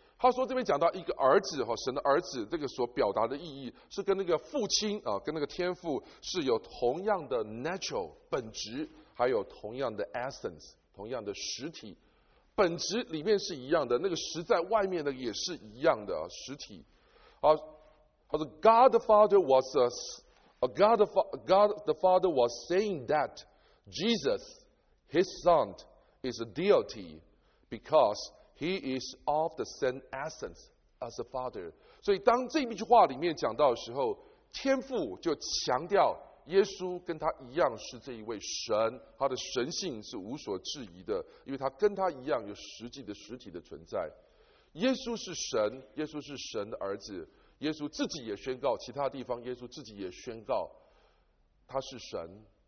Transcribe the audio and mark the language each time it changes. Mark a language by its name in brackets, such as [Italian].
[Chinese] 他说这边讲到一个儿子哈，神的儿子，这个所表达的意义是跟那个父亲啊，跟那个天父是有同样的 nature 本质，还有同样的 essence 同样的实体。本质里面是一样的，那个实在外面的也是一样的实体。好，他 [English] God the Father was God the Father was saying that Jesus, His Son, is a deity because He is of the same essence as the Father。 [Chinese] 所以当这一句话里面讲到的时候，天父就强调耶稣跟他一样是这一位神，他的神性是无所质疑的，因为他跟他一样有实际的实体的存在。耶稣是神，耶稣是神的儿子，耶稣自己也宣告，其他地方耶稣自己也宣告他是神。